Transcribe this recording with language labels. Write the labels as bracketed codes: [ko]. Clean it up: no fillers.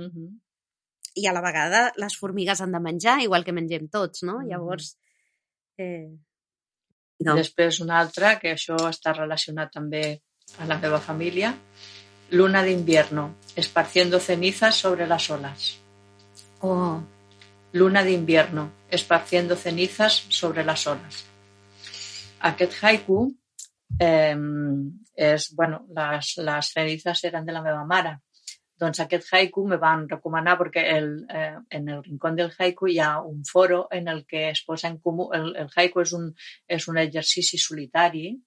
[ca] Uh-huh. I a la vegada les formigues han de menjar, igual que mengem tots, no? Uh-huh. Llavors... No. Després una altra, que això està relacionat també a la meva família, [es] Luna d'invierno, esparciendo cenizas sobre las olas. [ca] Oh. [es] Luna d'invierno, esparciendo cenizas sobre las olas. [ca] Aquest haiku és, bueno, les cenizas eren de la meva mare. Doncs aquest haiku me van recomanar perquè en el rincón del haiku hi ha un foro en el que es posa en comú. El haiku és un exercici solitari,